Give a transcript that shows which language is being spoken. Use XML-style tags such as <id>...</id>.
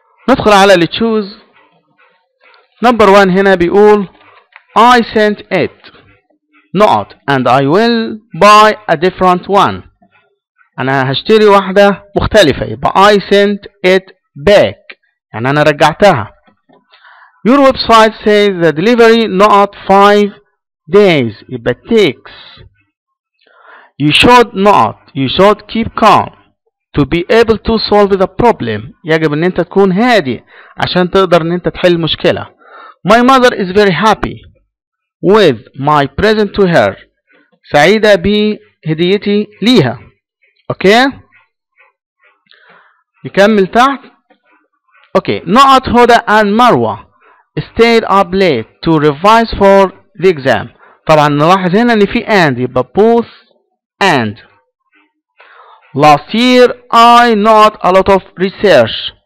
<ar>ندخل على اللي تشوز. نمبر 1 هنا بيقول</ar> <en>I sent it not and I will buy a different one.</en> <ar>انا هشتري واحدة مختلفة، يبقى</ar> <en>I sent it back</en> <ar>يعني انا رجعتها.</ar> <en>Your website says the delivery not 5 days</en> <ar>يبقى</ar> <en>it takes. You should keep calm to be able to solve the problem.</en> <ar>يجب ان انت تكون هادي عشان تقدر ان انت تحل المشكلة.</ar> <en>My mother is very happy with my present to her.</en> <ar>سعيدة بهديتي ليها. Okay. يكمل تحت. Okay.</ar> <en>Not Hoda and Marwa stayed up late to revise for the exam.</en> <ar>طبعا نلاحظ هنا ان في and، يبقى both and.</ar> <en>Last year I not a lot of research.</en>